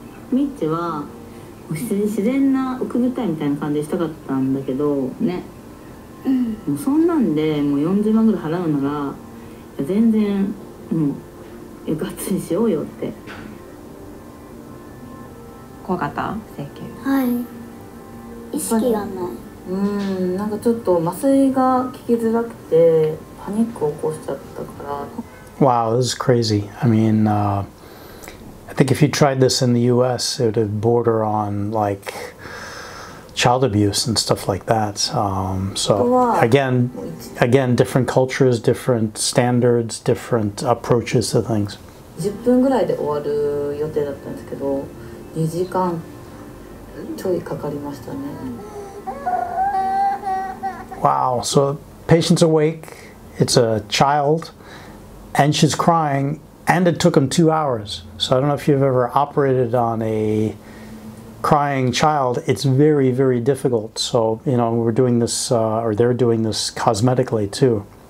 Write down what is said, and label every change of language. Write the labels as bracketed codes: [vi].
[ja] ミッチは普通に自然な奥舞台みたいな感じしたかったんだけどね、もうそんなんでもう40万ぐらい払うなら全然もうガッツにしようよって。怖かった整形？はい、意識がない。なんかちょっと麻酔が効きづらくてパニックを起こしちゃったから。 [en] Wow, this is crazy. I mean, I think if you tried this in the U.S., it would border on, like, child abuse and stuff like that. So, again, different cultures, different standards, different approaches to things. [ja] 10分ぐらいで終わる予定だったんですけど、2時間ちょいかかりましたね。 [en] Wow, so patient's awake, it's a child, and she's crying. And it took him 2 hours. So I don't know if you've ever operated on a crying child. It's very, very difficult. So, you know, we're doing this, or they're doing this cosmetically too.